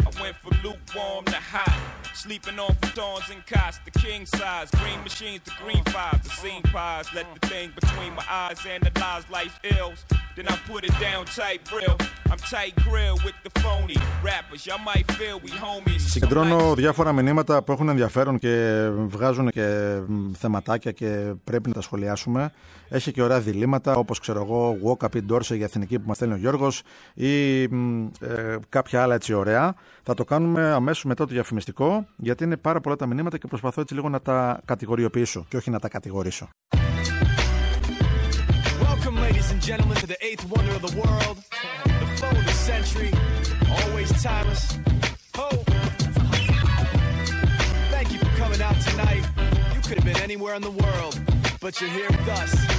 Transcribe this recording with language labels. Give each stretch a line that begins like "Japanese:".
English: I went from lukewarm to hot. Sleeping on futons and cots, the king size. Green machines, the green fives, the scene pies. Let the thing between my eyes analyze life's ills. Then I put it down tight grill. I'm tight grill with the phony rappers. Y'all might feel we homies.
Greek: Συγκεντρώνω διάφορα μηνύματα που έχουν ενδιαφέρον και βγάζουν και θεματάκια και πρέπει να τα σχολιάσουμε. Έχει και ωραία διλήμματα, όπως ξέρω εγώ, Walk Up in Dorsey για Εθνική που μας στέλνει ο Γιώργος ή κάποια άλλα έτσι ωραία. Θα το κάνουμε αμέσως μετά το διαφημιστικό, γιατί είναι πάρα πολλά τα μηνύματα και προσπαθώ έτσι λίγο να τα κατηγοριοποιήσω και όχι να τα κατηγορήσω.
English: Welcome ladies and gentlemen to the 8th wonder of the world, the phone of the century, always timeless. Thank you for coming out tonight. You could have been anywhere in the world, but you're here with us.